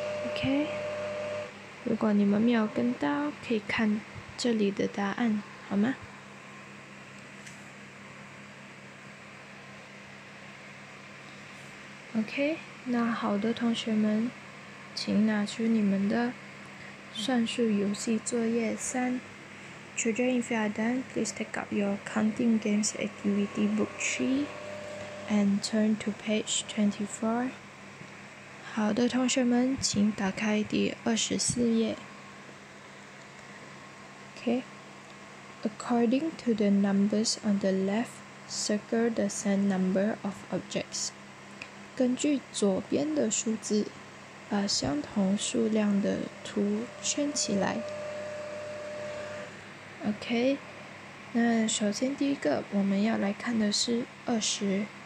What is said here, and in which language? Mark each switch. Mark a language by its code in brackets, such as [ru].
[zh] OK， 如果你们没有跟到，可以看这里的答案，好吗？ OK， 那好的同学们，请拿出你们的算术游戏作业三。 [en] Children, if you are done, please take up your counting games activity book 3 and turn to page 24. [zh] 好的同学们，请打开第24页。 [en] OK. According to the numbers on the left, circle the same number of objects. [zh] 根据左边的数字，把相同数量的图圈起来。 OK， 那首先第一个我们要来看的是20。